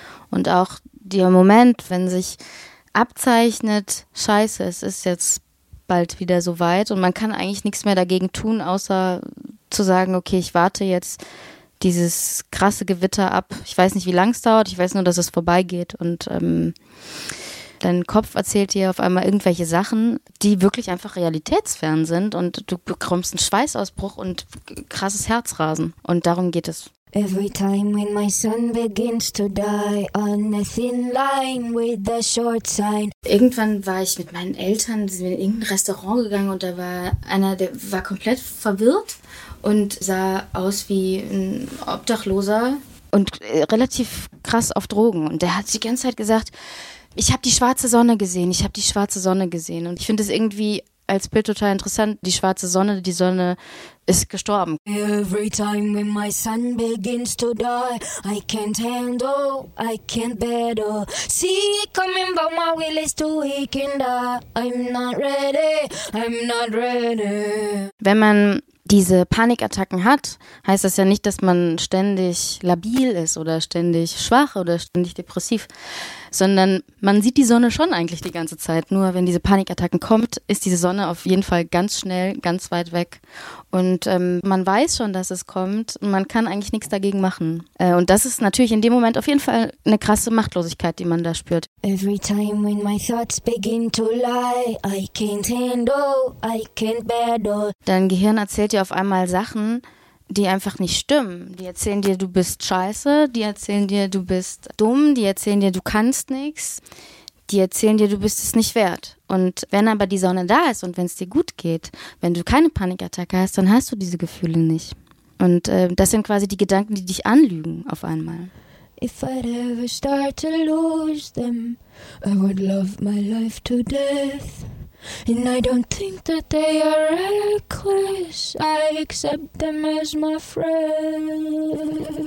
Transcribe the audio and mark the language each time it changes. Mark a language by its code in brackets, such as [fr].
[de] Und auch der Moment, wenn sich abzeichnet, scheiße, es ist jetzt bald wieder so weit und man kann eigentlich nichts mehr dagegen tun, außer zu sagen, okay, ich warte jetzt dieses krasse Gewitter ab. Ich weiß nicht, wie lang es dauert, ich weiß nur, dass es vorbeigeht. Und dein Kopf erzählt dir auf einmal irgendwelche Sachen, die wirklich einfach realitätsfern sind und du bekommst einen Schweißausbruch und krasses Herzrasen. Und darum geht es. [en] Every time when my son begins to die on a thin line with a short sign. [de] Irgendwann war ich mit meinen Eltern in irgendein Restaurant gegangen und da war einer, der war komplett verwirrt und sah aus wie ein Obdachloser und relativ krass auf Drogen. Und der hat die ganze Zeit gesagt, ich habe die schwarze Sonne gesehen, ich habe die schwarze Sonne gesehen. Und ich finde es irgendwie als Bild total interessant. Die schwarze Sonne, die Sonne ist gestorben. [en] Every time when my sun begins to die, I can't handle, I can't battle. See it coming, but my will is too weak and I'm not ready, I'm not ready. [de] Wenn man diese Panikattacken hat, heißt das ja nicht, dass man ständig labil ist oder ständig schwach oder ständig depressiv, sondern man sieht die Sonne schon eigentlich die ganze Zeit. Nur wenn diese Panikattacken kommt, ist diese Sonne auf jeden Fall ganz schnell, ganz weit weg. Und man weiß schon, dass es kommt und man kann eigentlich nichts dagegen machen. Und das ist natürlich in dem Moment auf jeden Fall eine krasse Machtlosigkeit, die man da spürt. [en] Every time when my thoughts begin to lie, I can't handle, I can't battle. [de] Dein Gehirn erzählt dir auf einmal Sachen, die einfach nicht stimmen. Die erzählen dir, du bist scheiße, die erzählen dir, du bist dumm, die erzählen dir, du kannst nichts, die erzählen dir, du bist es nicht wert. Und wenn aber die Sonne da ist und wenn es dir gut geht, wenn du keine Panikattacke hast, dann hast du diese Gefühle nicht. Und das sind quasi die Gedanken, die dich anlügen auf einmal. [en] If I'd ever start to lose them, I would love my life to death. And I don't think that they are reckless, I accept them as my friends.